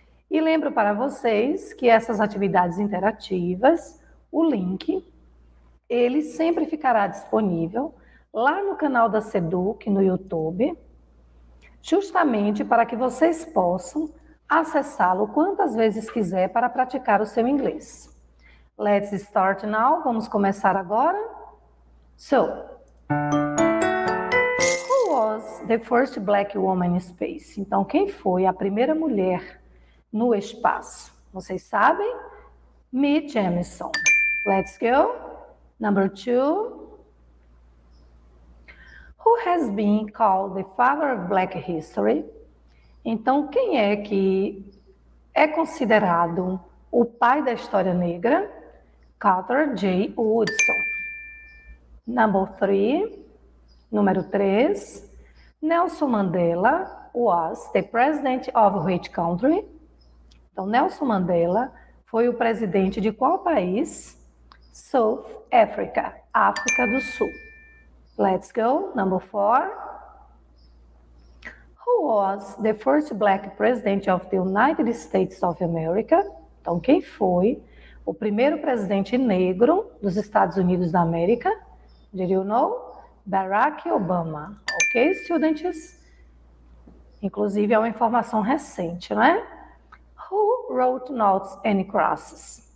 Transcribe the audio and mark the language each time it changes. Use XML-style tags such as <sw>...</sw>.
<pt>E lembro para vocês que essas atividades interativas, o link, ele sempre ficará disponível lá no canal da Seduc, no YouTube, justamente para que vocês possam acessá-lo quantas vezes quiser para praticar o seu inglês.</pt> <en>Let's start now.</en> <pt>Vamos começar agora?</pt> <en>So, who was the first black woman in space?</en> <pt>Então, quem foi a primeira mulher no espaço? Vocês sabem? Mae Jemison.</pt> <en>Let's go. Number two. Who has been called the father of black history?</en> <pt>Então, quem é que é considerado o pai da história negra?</pt> <en>Carter J. Woodson. Number three.</en> <pt>Número três.</pt> <en>Nelson Mandela was the president of which country?</en> <pt>Então, Nelson Mandela foi o presidente de qual país?</pt> <en>South Africa, África do Sul. Let's go, number four. Who was the first black president of the United States of America?</en> <pt>Então, quem foi o primeiro presidente negro dos Estados Unidos da América?</pt> <en>Did you know? Barack Obama. Ok, students?</en> <pt>Inclusive, é uma informação recente, né?</pt> <en>Who wrote Notes and Crosses?</en>